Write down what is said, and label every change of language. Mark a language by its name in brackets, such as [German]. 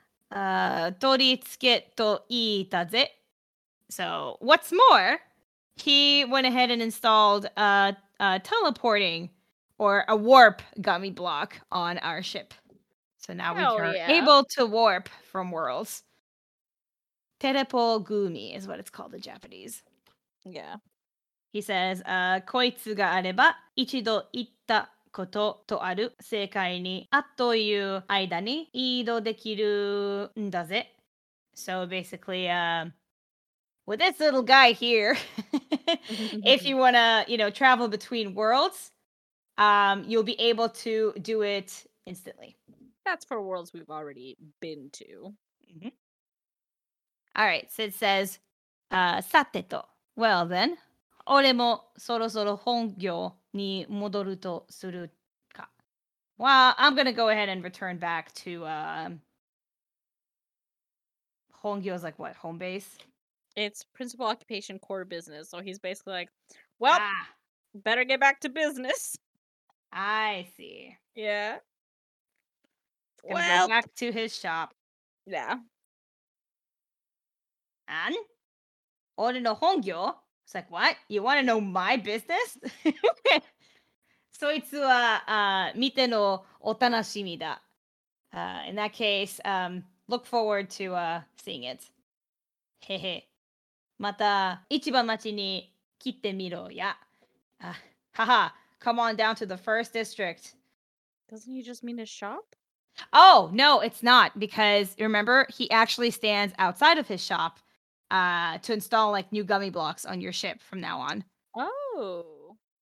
[English] So what's more, he went ahead and installed a teleporting or a warp gummy block on our ship. So now able to warp from worlds. Terepo gumi is what it's called in Japanese. Yeah. He says, [Japanese] koitsu ga areba, ichido itta ことと ある世界にあっという間に移動できるんだぜ。 [English] So basically, with this little guy here, if you want to, you know, travel between worlds, you'll be able to do it instantly. That's for worlds we've already been to. Mm-hmm. All right, so it says, [Japanese] さてと。 [English] Well then, [Japanese] 俺もそろそろ本業に戻るとするか。 [English] Well, I'm going to go ahead and return back to, 本業is like what, home base? It's principal occupation core business. So he's basically like, well, better get back to business. I see. Yeah. Well, go back to his shop. Yeah. And? [Japanese] 俺の本業? [English] It's like, what? You want to know my business? [Japanese] そいつは見てのお楽しみだ。 [English] In that case, look forward to seeing it. へへ。 [Japanese] また市場町に来てみろや。 [English] Haha, come on down to the first district. Doesn't he just mean his shop? Oh, no, it's not. Because remember, he actually stands outside of his shop to install like new gummy blocks on your ship from now on. Oh.